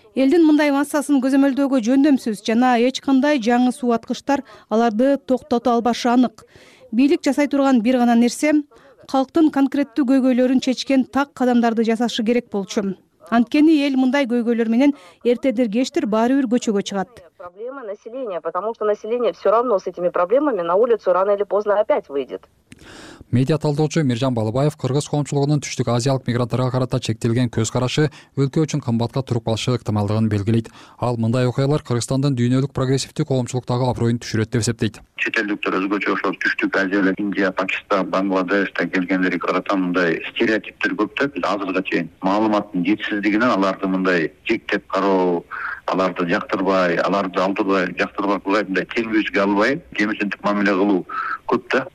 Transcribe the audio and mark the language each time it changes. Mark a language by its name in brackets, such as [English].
[Kyrgyz] Элдин мындай массасын көзөмөлдөөгө жөндөмсүз жана эч кандай жаңы суу аткычтар аларды токтото албашы анык. Бийлик жасай турган бир гана нерсе калктын конкреттүү көйгөйлөрүн чечкен так кадамдарды жасашы керек болчу. Анткени эл мындай көйгөйлөр менен эртедир кечтир баары бир көчөгө чыгат. [Russian] Проблема населения, потому что население все равно с этими проблемами на улицу рано или поздно опять выйдет. [Kyrgyz] Медиа талдоочу Миржан Балыбаев кыргыз коомчулугунун түштүк азиялык мигранттарга карата чектелген көз карашы өлкө үчүн кымбатка туруп калышы ыктымалдыгын белгилейт. Ал мындай окуялар Кыргызстандын дүйнөлүк прогрессивдүү коомчулуктагы аброюн түшүрөт деп эсептейт. Чет элдүктөр өзгөчө ошол түштүк азиялык Индия, Пакистан, Бангладештен келгендерге карата мындай стереотиптер көп да, биз азыркыга чейин маалыматтын жетишсиздигинен аларды мындай жектеп кароо, аларды жактырбай, аларды алдырбай, жактырбай мындай тең бөзгө албай кемчилик мамиле кылуу көп да.